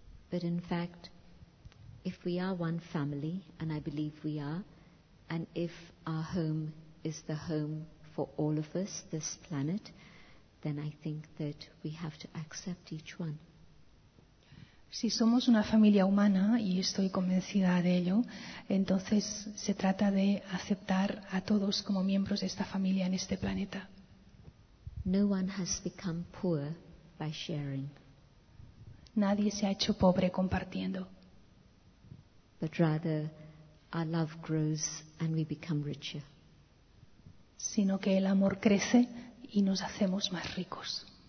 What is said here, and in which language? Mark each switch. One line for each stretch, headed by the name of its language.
English: But in fact, if we are one family, and I believe we are, and if our home is the home for all of us, this planet, then I think that we have to accept each one.
Spanish: Si somos una familia humana, y estoy convencida de ello, entonces se trata de aceptar a todos como miembros de esta familia en este planeta.
English: No one has become poor by sharing.
Spanish: Nadie se ha hecho pobre compartiendo.
English: But rather, our love grows and we become richer.
Spanish: Sino que el amor crece y nos hacemos más ricos.